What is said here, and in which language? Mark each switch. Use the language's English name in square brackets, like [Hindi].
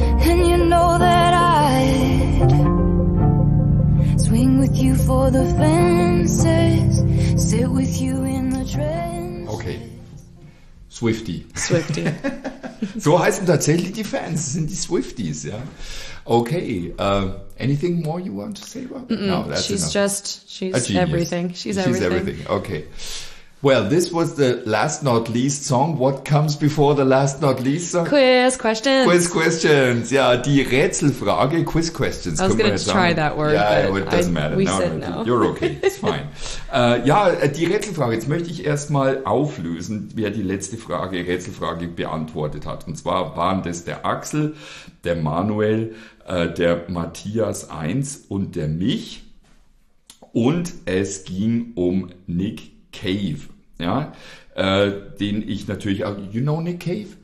[English] And you know that I'd swing with you for the fences, sit with you in the trench. Swifty. [German] So heißen tatsächlich die Fans, sind die Swifties, ja. [English] Okay, anything more you want to say about that? No, that's she's enough. She's everything. Okay. Well, this was the last not least song. What comes before the last not least song? Quiz questions. Yeah, [German] die Rätselfrage, [English] quiz questions. I was going to try that word. Yeah, but it doesn't matter. We said no. You're okay. It's fine. [German] die Rätselfrage. Jetzt möchte ich erstmal auflösen, wer die letzte Rätselfrage beantwortet hat. Und zwar waren das der Axel, der Manuel, der Matthias 1 und der Mich. Und es ging um Nick Cave, ja, den ich natürlich auch, [English] you know Nick Cave?